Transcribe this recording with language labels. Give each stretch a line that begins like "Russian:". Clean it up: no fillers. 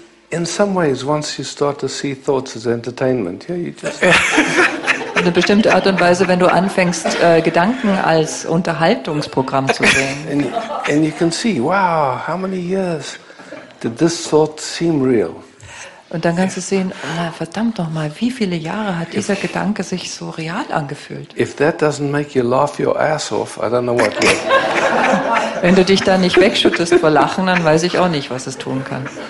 English: In some ways, once you start to see thoughts as entertainment, yeah, you just.
German: In einer bestimmten Art und Weise, wenn du anfängst, Gedanken als Unterhaltungsprogramm zu sehen.
English: And you can see, wow, how many years did this thought seem real?
German: Und dann kannst du sehen, na, verdammt noch mal, wie viele Jahre hat dieser Gedanke sich so real angefühlt?
English: If that doesn't make you laugh your ass off, I don't know what will.
German: Wenn du dich da nicht wegschüttest vor Lachen, dann weiß ich auch nicht, was es tun kann.